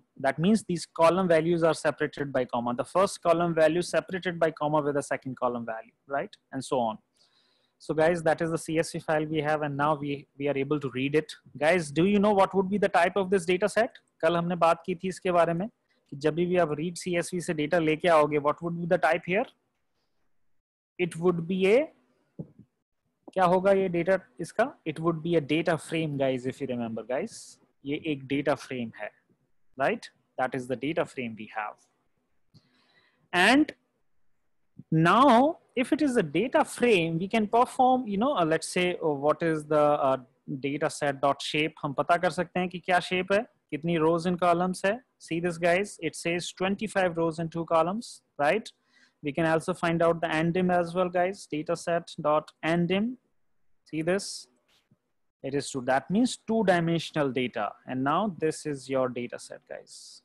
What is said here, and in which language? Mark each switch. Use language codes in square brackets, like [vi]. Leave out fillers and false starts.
[en] That means these column values are separated by comma. The first column value separated by comma with the second column value, right? And so on. So guys, that is the CSV file we have, and now we are able to read it. Guys, do you know what would be the type of this data set? [hi] Kal humne baat ki thi iske bare mein. जब भी आप read CSV से data लेके आओगे, [en] What would be the type here? It would be a, [hi] क्या होगा ये data इसका? [en] it would be a data frame, guys, if you remember, guys, [hi] ये एक डेटा फ्रेम है, [en] Right? That is the data frame we have. And now if it is a data frame, we can perform, you know, let's say what is the data set dot shape. [hi] हम पता कर सकते हैं कि क्या shape है, कितनी रोज इन columns है. [en] See this, guys, it says 25 rows and two columns, right? We can also find out the andim as well, guys. Dataset.andim. See this, it is two. That means two dimensional data. And now this is your data set, guys.